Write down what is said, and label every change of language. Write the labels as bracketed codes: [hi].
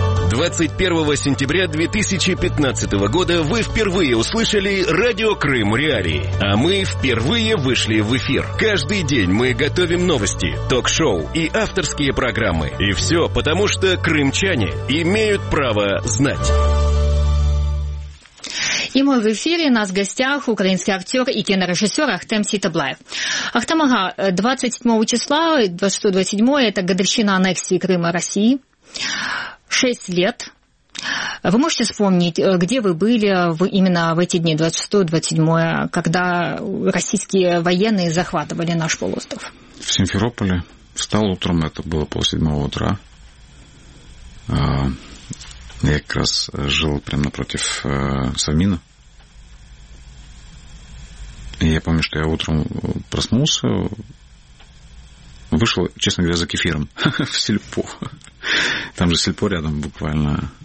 [ru] 21 сентября 2015 года вы впервые услышали «Радио Крым Реалии», а мы впервые вышли в эфир. Каждый день мы готовим новости, ток-шоу и авторские программы. И все потому, что крымчане имеют право знать. [uk] І ми в ефірі, нас в гостях український актер і кінорежисер Ахтем Сітаблаєв. Ахтем, ага, 27 числа, 27-го, це годовщина анексії Криму Росії, [ru] 6 лет. [uk] Ви можете вспомнити, де ви були іменно в ці дні, 26-27, коли російські воєнні захватували наш полуостров? В Сімферополі. Встав [ru] утром, [uk] це було пол 7-го [ru] утра. Я как раз жил прямо напротив Савмина. И я помню, что я утром проснулся, вышел, честно говоря, за кефиром в сельпо. Там же сельпо рядом буквально.